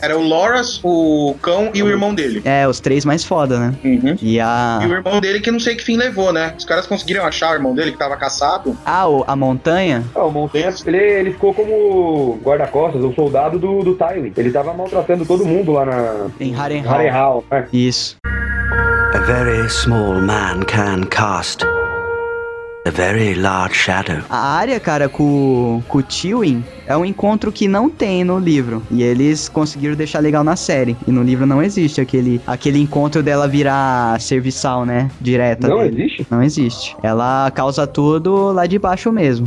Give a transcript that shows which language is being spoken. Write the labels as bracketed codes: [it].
[pt] Era o Loras, o cão e o irmão dele. É, os três mais foda, né? Uhum. E o irmão dele que não sei que fim levou, né? Os caras conseguiram achar o irmão dele que tava caçado. Ah, a montanha? Ah, o montanha, ele ficou como guarda-costas, o soldado do Tywin. Ele tava maltratando todo mundo lá na... Em Harrenhal. É. Isso. [en] A very small man can cast a very large shadow. [pt] A Arya, cara, com o Tywin é um encontro que não tem no livro. E eles conseguiram deixar legal na série. E no livro não existe aquele encontro dela virar serviçal, né? Direta. Não existe? Não existe. Ela causa tudo lá de baixo mesmo.